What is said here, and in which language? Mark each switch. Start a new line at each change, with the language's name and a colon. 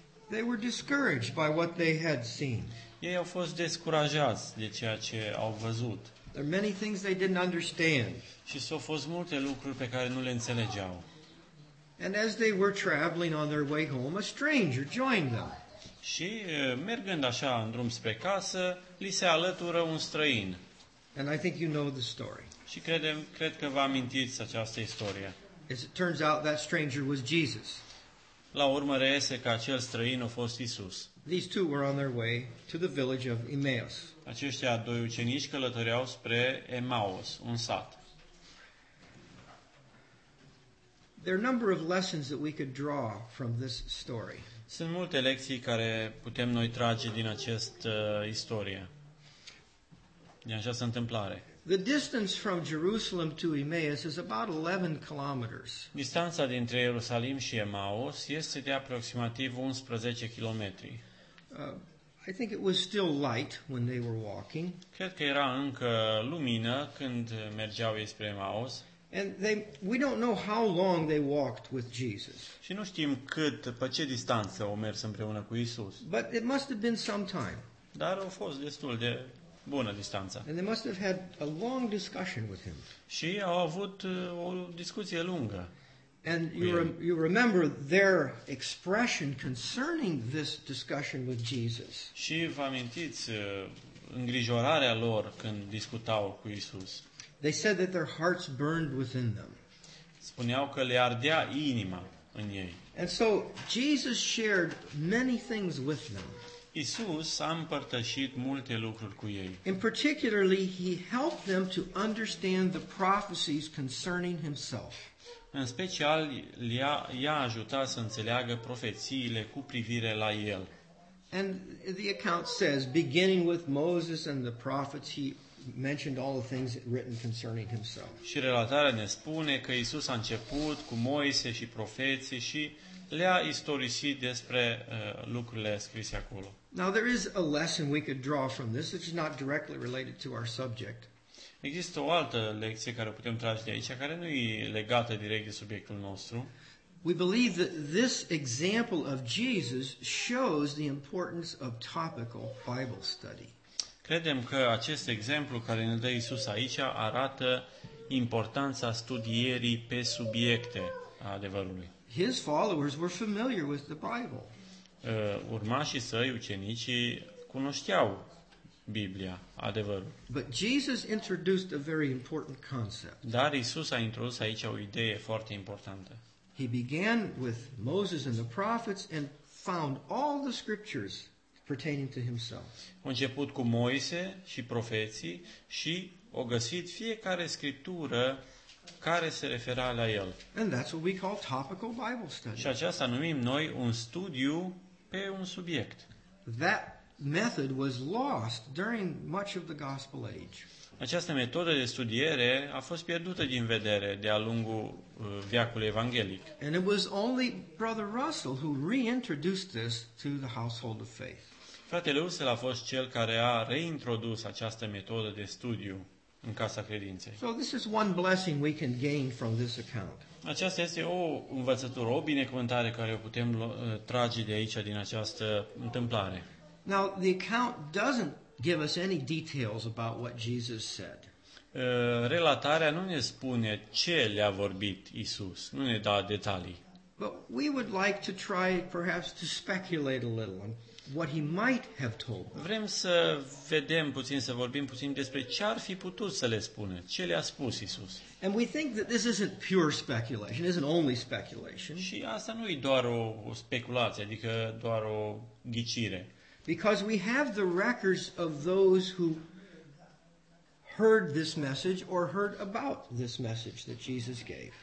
English: They were discouraged by what they had seen.
Romanian: Ei au fost descurajați de ceea ce au văzut.
English: There are many things they didn't understand.
Romanian: Și s-au fost multe lucruri pe care nu le înțelegeau.
English: And as they were traveling on their way home, a stranger joined them.
Romanian: Și mergând așa în drum spre casă, li se alătură un străin.
English: And I think you know the story.
Romanian: Și cred că vă amintiți această istorie.
English: As it turns out, that stranger was Jesus.
Romanian: La urmă reiese că acel străin a fost Isus.
English: These two were on their way to the village of Emmaus.
Romanian: Aceștia doi ucenici călătoreau spre Emmaus, un sat.
English: There are a number of lessons that we could draw from this story.
Romanian: Sunt multe lecții care putem noi trage din această istorie. Din această întâmplare.
English: The distance from Jerusalem to Emmaus is about 11 kilometers.
Romanian: Distanța dintre Ierusalim și Emmaus este de aproximativ 11 kilometri.
English: I think it was still light when they were walking.
Romanian: Cred că era încă lumină când mergeau ei spre Emmaus.
English: And we don't know how long they walked with Jesus.
Romanian: Și nu știm cât, pe ce distanță au mers împreună cu Isus.
English: But it must have been some time.
Romanian: Dar au fost destul de bună distanță.
English: And they must have had a long discussion with him.
Romanian: Și au avut o discuție lungă.
English: And you remember their expression concerning this discussion with Jesus.
Romanian: Și vă amintiți îngrijorarea lor când discutau cu Isus.
English: They said that their hearts burned within them.
Romanian: Spuneau că le ardea inima în ei.
English: And so Jesus shared many things with them.
Romanian: Isus a împărtășit multe lucruri cu ei.
English: In particular, he helped them to understand the prophecies concerning himself.
Romanian: În special, i-a ajutat să înțeleagă profețiile cu privire la el.
English: And the account says, beginning with Moses and the prophets, he mentioned all the things written concerning himself.
Romanian: Și relatarea ne spune că Isus a început cu Moise și profeții și le-a istorisit despre lucrurile scrise acolo.
English: Now there is a lesson we could draw from this, which is not directly related to our subject.
Romanian: Există o altă lecție care putem trage de aici, care nu e legată direct de subiectul nostru.
English: We believe that this example of Jesus shows the importance of topical Bible study.
Romanian: Credem că acest exemplu care ne dă Iisus aici arată importanța studierii pe subiecte a adevărului.
English: His followers were familiar with the Bible.
Romanian: Urmașii săi, ucenicii, cunoșteau Biblia, adevărul.
English: But Jesus introduced a very important concept.
Romanian: Dar Iisus a introdus aici o idee foarte importantă.
English: He began with Moses and the prophets and found all the scriptures pertaining to himself.
Romanian: A început cu Moise și profeții și a găsit fiecare scriptură care se refera la el.
English: And that's what we call topical Bible study.
Romanian: Și aceasta numim noi un studiu pe un subiect.
English: That method was lost during much of the gospel age.
Romanian: Această metodă de studiere a fost pierdută din vedere de-a lungul veacului evanghelic.
English: And it was only Brother Russell who reintroduced this to the household of faith.
Romanian: Fratele Ursel a fost cel care a reintrodus această metodă de studiu în casa credinței.
English: So this is one blessing we can gain from this account.
Romanian: Aceasta este o învățătură, o binecuvântare care o putem trage de aici, din această întâmplare.
English: Now, the account doesn't give us any details about what Jesus said.
Romanian: Relatarea nu ne spune ce le-a vorbit Isus, nu ne dă detalii.
English: But we would like to try perhaps to speculate a little on what he might have told them.
Romanian: Vrem să vedem puțin, să vorbim puțin despre ce ar fi putut să le spună, ce le-a spus Isus.
English: And we think that this isn't pure speculation, isn't only speculation.
Romanian: Și asta nu e doar o speculație, adică doar o ghicire.
English: Because we have the records of those who heard this message or heard about this message that Jesus gave.